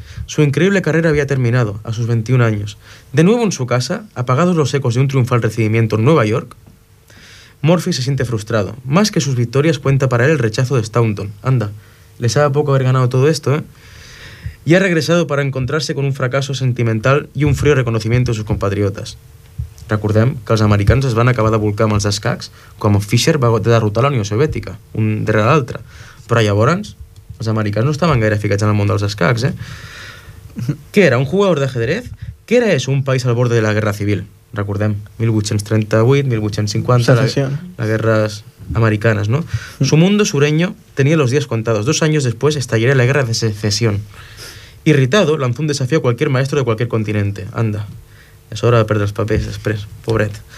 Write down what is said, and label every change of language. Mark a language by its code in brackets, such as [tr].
[es] Su increíble carrera había terminado a sus 21 años. De nuevo en su casa, apagados los ecos de un triunfal recibimiento en Nueva York, Murphy se siente frustrado. Más que sus victorias, cuenta para él el rechazo de Staunton. Anda, le sabe poco haber ganado todo esto, ¿eh? Y ha regresado para encontrarse con un fracaso sentimental y un frío reconocimiento de sus compatriotas. [ca] Recordem que els americans es van acabar de volcar amb els escacs quan Fischer va derrotar la Unió Soviètica, un darrere l'altre. Però llavors, els americans no estaven gaire ficats en el món dels escacs, eh? [es] ¿Qué era? ¿Un jugador de ajedrez? ¿Qué era eso? Un país al borde de la guerra civil. [ca] Recordem, [es] 1838, 1850, las guerras americanas, ¿no? Su mundo sureño tenía los días contados. 2 años después estallaría la guerra de secesión. Irritado, lanzó un desafío a cualquier maestro de cualquier continente. Anda, es hora de perder los papeles después, [ca] pobret.